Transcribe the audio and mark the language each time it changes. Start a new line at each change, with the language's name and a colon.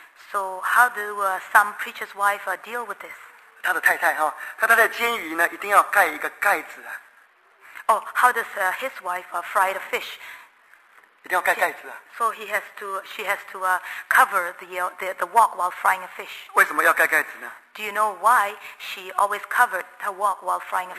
English: So how do some preacher's wife deal with this?
Chinese: 他的太太哈，他太太煎鱼呢，一定要盖一个盖子啊。
English: Oh, how does his wife fry the fish?
Chinese: 一定要盖盖子啊。
English: So she has to cover the wok while frying a fish.
Chinese: 为什么要盖盖子呢？
English: Do you know why she always covered her wok while frying a fish?